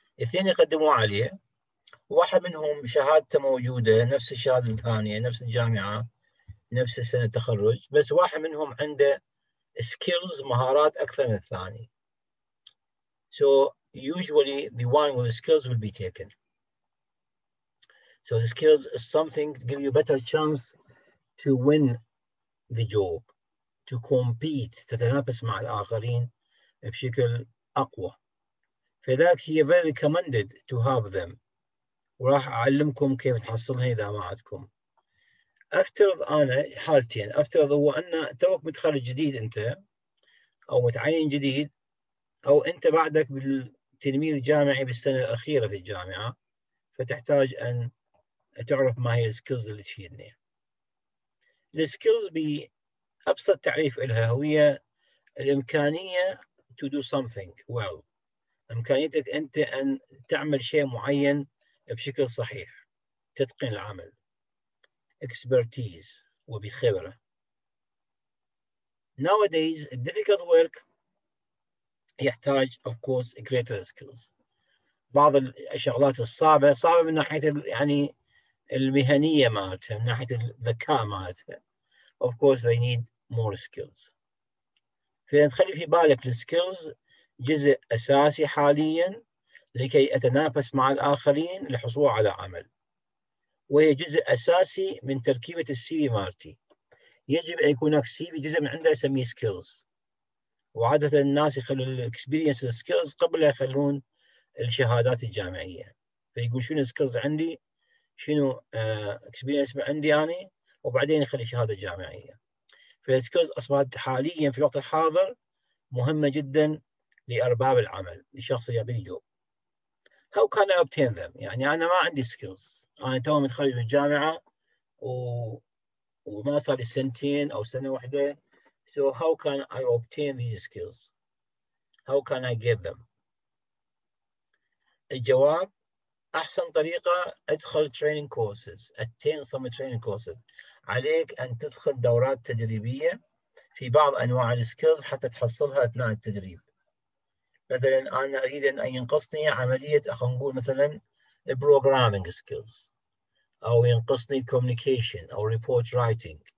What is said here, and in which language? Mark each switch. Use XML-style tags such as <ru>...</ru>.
<ar>اثنين يقدموا عليه. واحد منهم شهادته موجودة نفس الشهادة الثانية نفس الجامعة نفس سنة التخرج بس واحد منهم عنده skills مهارات أكثر من الثاني.</ar> <en>So usually the one with the skills will be taken. So the skills is something to give you a better chance to win the job, to compete,</en> <ar>تتنافس مع الآخرين بشكل أقوى. فذاك هي</ar> <en>very recommended to have them.</en> <ar>وراح أعلمكم كيف تحصلها إذا ما عندكم. أفترض أنا حالتين. أفترض هو أن توك متخرج جديد أنت أو متعين جديد أو أنت بعدك بالتلميذ الجامعي بالسنة الأخيرة في الجامعة فتحتاج أن تعرف ما هي السكيلز اللي تفيدني. السكيلز بأبسط تعريف لها هي الإمكانية</ar> <en>to do something well.</en> <ar>إمكانيتك أنت أن تعمل شيء معين بشكل صحيح، تتقن العمل، expertise وبخبرة.</ar> <en>Nowadays, difficult work</en> <ar>يحتاج</ar> <en>of course greater skills.</en> <ar>بعض الشغلات الصعبة، صعبة من ناحية يعني المهنية مالتها، من ناحية الذكاء مالتها.</ar> <en>Of course, they need more skills.</en> <ar>فإذا تخلي في بالك السكيلز جزء أساسي حالياً لكي أتنافس مع الآخرين للحصول على عمل وهي جزء أساسي من تركيبة السيفي مالتي. يجب أن يكون هناك سيفي جزء من عنده يسميه سكيلز وعادة الناس يخلون الاكسبيرينس والسكيلز قبل يخلون الشهادات الجامعية. فيقول شنو السكيلز عندي، شنو اكسبيرينس عندي أنا، وبعدين يخلي شهادة جامعية. فالسكيلز أصبحت حاليا في الوقت الحاضر مهمة جدا لأرباب العمل، لشخص يبي جوب.</ar> <en>How can I obtain them؟</en> <ar>يعني أنا ما عندي سكيلز، أنا تو متخرج من الجامعة وما صار لي سنتين أو سنة واحدة.</ar> <en>So how can I obtain these skills؟ How can I get them؟</en> <ar>الجواب أحسن طريقة أدخل</ar> <en>training courses، attain some training courses.</en> <ar>عليك أن تدخل دورات تدريبية في بعض أنواع السكيلز حتى تحصلها أثناء التدريب. مثلا أنا أريد أن ينقصني عملية خلينا نقول مثلا programming skills، أو ينقصني communication أو report writing.</ar>